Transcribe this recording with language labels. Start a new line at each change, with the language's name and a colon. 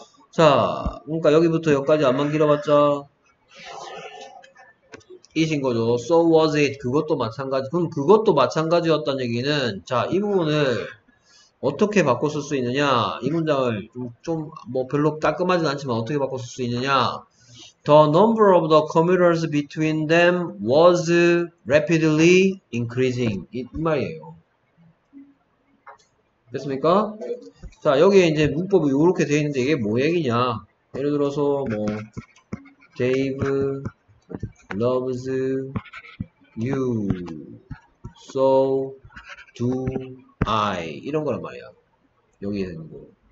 Korean: 자, 그러니까 여기부터 여기까지 안만 길어봤자 이신 거죠.
English: So was it?
Korean: 그것도 마찬가지. 그럼 그것도 마찬가지였다는 얘기는 자, 이 부분을 어떻게 바꿔 쓸수 있느냐? 이 문장을 좀뭐 별로 따끔하진 않지만 어떻게 바꿔 쓸수 있느냐?
English: The number of the commuters between them was rapidly increasing.
Korean: 이 말이에요. 됐습니까? 자, 여기에 이제 문법이 이렇게 되어 있는데 이게 뭐 얘기냐? 예를 들어서 뭐
English: Dave loves you, so do I.
Korean: 이런 거란 말이야. 여기에 있는 거.